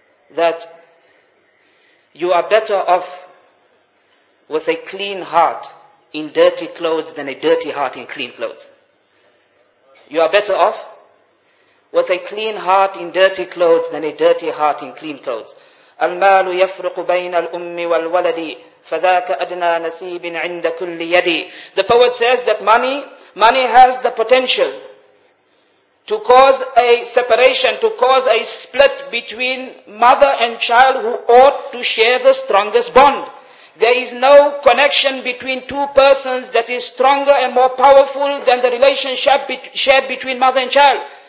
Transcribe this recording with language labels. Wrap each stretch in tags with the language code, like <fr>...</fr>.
<en>That you are better off with a clean heart in dirty clothes than a dirty heart in clean clothes. You are better off with a clean heart in dirty clothes than a dirty heart in clean clothes.</en> <ar>المال يفرق بين الأم والولد فذاك أدنى نسيب عند كل يدي.</ar> <en>The poet says that money has the potential to cause a separation, to cause a split between mother and child who ought to share the strongest bond. There is no connection between two persons that is stronger and more powerful than the relationship shared between mother and child.</en>